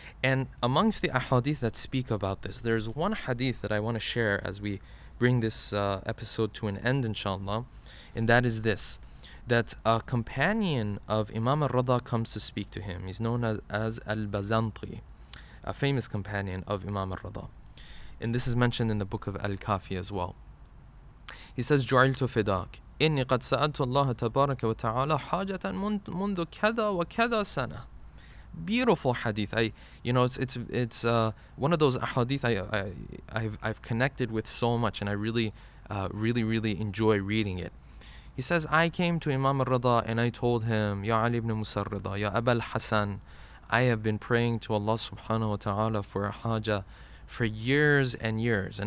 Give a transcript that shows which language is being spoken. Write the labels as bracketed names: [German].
[English] And amongst the ahadith that speak about this, there's one hadith that I want to share as we bring this episode to an end, inshallah. And that is this, that a companion of Imam al-Radha comes to speak to him. He's known as al-Bazanti, a famous companion of Imam al-Radha. And this is mentioned in the book of Al-Kafi as well. He says, [Arabic] جُعِلْتُ فِدَاكِ إِنِّي قَدْ سَأَلْتُ اللَّهَ تَبَارَكَ وَتَعَالَى حَاجَةً مُنْدُ كَذَا وَكَذَا سَنَةً. [English] Beautiful hadith. It's one of those ahadith I've connected with so much, and I really enjoy reading it. He says, I came to Imam al-Rida and I told him, Ya Ali ibn Musarrida, Ya Abul Hasan, I have been praying to Allah subhanahu wa ta'ala for a haja for years and years.